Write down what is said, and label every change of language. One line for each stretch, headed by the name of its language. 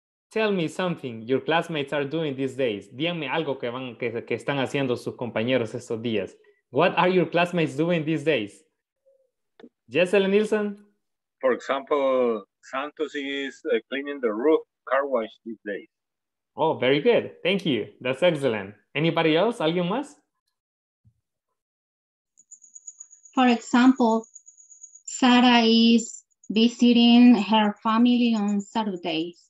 English: Tell me something your classmates are doing these days.
Spanish: Díganme algo que están haciendo sus compañeros estos días.
English: What are your classmates doing these days? Jessel Nielsen? For example, Santos is cleaning the roof car wash these days. Oh, very good. Thank you. That's excellent. Anybody else? ¿Alguien más? For example, Sarah is visiting her family on Saturday.